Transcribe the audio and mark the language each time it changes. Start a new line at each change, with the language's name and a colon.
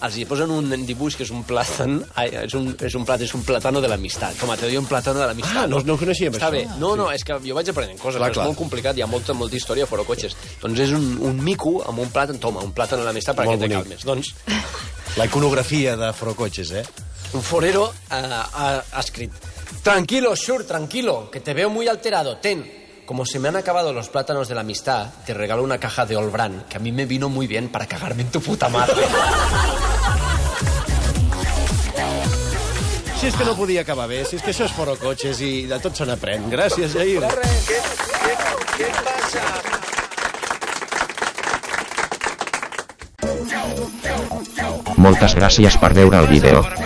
Catalan: Els hi posen un dibuix que és un plàtan, és un plàtano de l'amistat, com a teoria, un plàtano de l'amistat. Ah, no ho coneixíem, està això. Bé. No, és que jo vaig aprenent coses, clar, és molt complicat, hi ha molta història a Forocotxes. Doncs és un mico amb un plàtan, toma, un plàtano de l'amistat perquè te calmes. Doncs... La iconografia de Forocotxes, Un forero ha escrit:
Spanish: tranquilo, Xur, tranquilo, que te veo muy alterado, ten... Como se me han acabado los plátanos de la amistad, te regalo una caja de Olbrán, que a mí me vino muy bien para cagarme en tu puta madre.
Catalan: Si és que no podia acabar bé, si és que això és Forocotxes i de tot se n'aprèn. Gràcies, Jair. Què passa? Moltes gràcies per veure el vídeo.